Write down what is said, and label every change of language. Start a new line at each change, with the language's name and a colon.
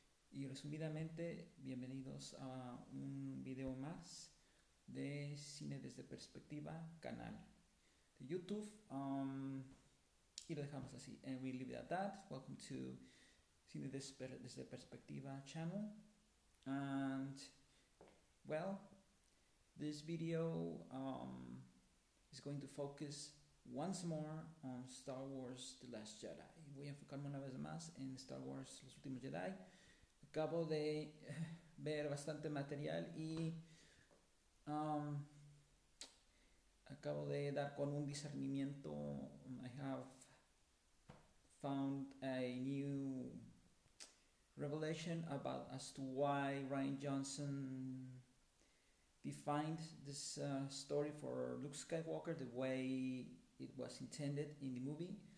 Spanish: Y resumidamente, bienvenidos a un video más de Cine desde Perspectiva, canal de YouTube. Y lo dejamos así,
English: and we leave it at that. Welcome to Cine desde Perspectiva channel. And, well, this video is going to focus once more on Star Wars The Last Jedi.
Spanish: Voy a enfocarme una vez más en Star Wars Los Últimos Jedi. Acabo de ver bastante material y acabo de dar con un discernimiento.
English: I have found a new revelation about as to why Rian Johnson defined this story for Luke Skywalker the way it was intended in the movie.